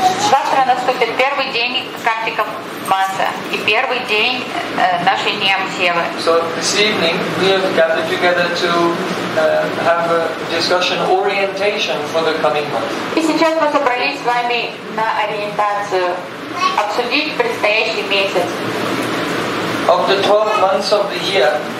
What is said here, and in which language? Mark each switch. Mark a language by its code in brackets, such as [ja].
[ru] Завтра наступит первый день Картика Маса и первый день нашей Ниямсевы. [en] So this evening we have gathered together to have a discussion orientation for the coming month. [ru] И сейчас мы собрались с вами на ориентацию, обсудить предстоящий месяц. [en] Of the 12 months of the year,